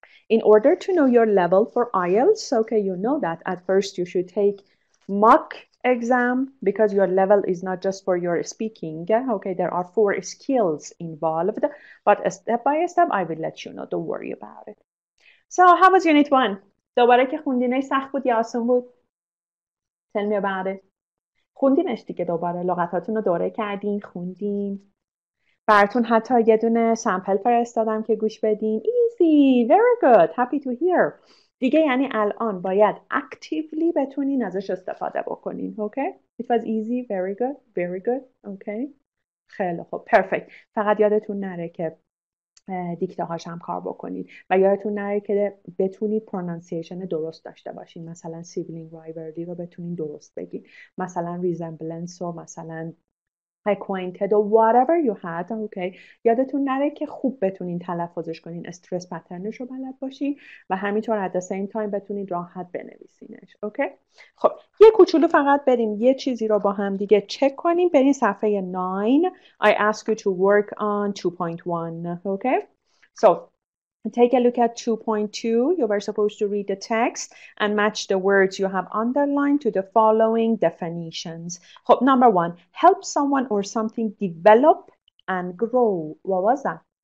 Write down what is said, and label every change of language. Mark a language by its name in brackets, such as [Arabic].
[English] In order to know your level for IELTS, okay, you know that at first you should take mock exam because your level is not just for your speaking. Okay, there are four skills involved, but a step by step, I will let you know. Don't worry about it. So, how was unit one? [Persian] دوباره که خوندینش سخت بود یا آسون بود؟ [English] Tell me about it. [Persian] خوندینش دیگه دوباره لغتاتون رو دوره کردین خوندین براتون حتی یه دونه سمپل فرستادم که گوش بدین [English] easy very good happy to hear [Persian] دیگه یعنی الان باید [English] actively [Persian] بتونین ازش استفاده بکنین [English] okay it was easy very good very good okay [Persian] خیلی خوب [English] perfect [Persian] فقط یادتون نره که دیکته هاش هم کار بکنین و یادتون نره که بتونید پرونانسیشن درست داشته باشین مثلا سیبلینگ رایورلی رو بتونین درست بگین مثلا ریزمبلنس و مثلا اکوینتد و [English] whatever you had okay. [Persian] یادتون نره که خوب بتونین تلفظش کنین استرس پترنش رو بلد باشین و همینطور [English] at the same time [Persian] بتونین راحت بنویسینش [English] okay. [Persian] خب یه کوچولو فقط بریم یه چیزی رو با هم دیگه چک کنیم بریم صفحه 9 [English] I ask you to work on 2.1 okay. So take a look at 2.2 you were supposed to read the text and match the words you have underlined to the following definitions [Persian] خب [English] number one help someone or something develop and grow what was that